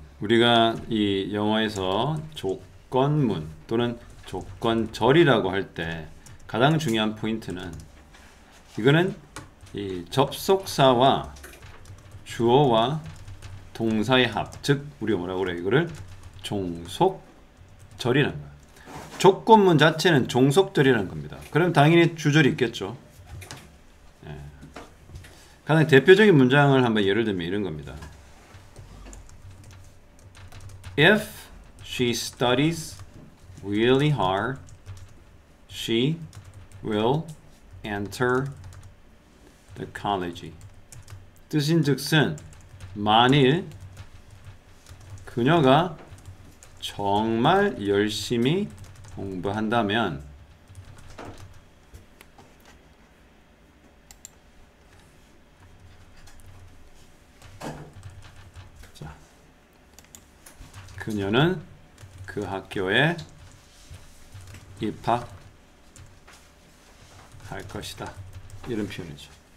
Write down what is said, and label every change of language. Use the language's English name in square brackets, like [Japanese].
[Korean] 우리가 이 영어에서 조건문 또는 조건절이라고 할때 가장 중요한 포인트는 이거는 이 접속사와 주어와 동사의 합, 즉 우리가 뭐라고 그래? 이거를 종속절이라는 거야. 조건문 자체는 종속절이라는 겁니다. 그럼 당연히 주절이 있겠죠. 가장 대표적인 문장을 한번 예를 들면 이런 겁니다. [English] If she studies really hard, she will enter the college. [Korean] 뜻인즉슨 만일 그녀가 정말 열심히 공부한다면 그녀는 그 학교에 입학할 것이다. 이런 표현이죠.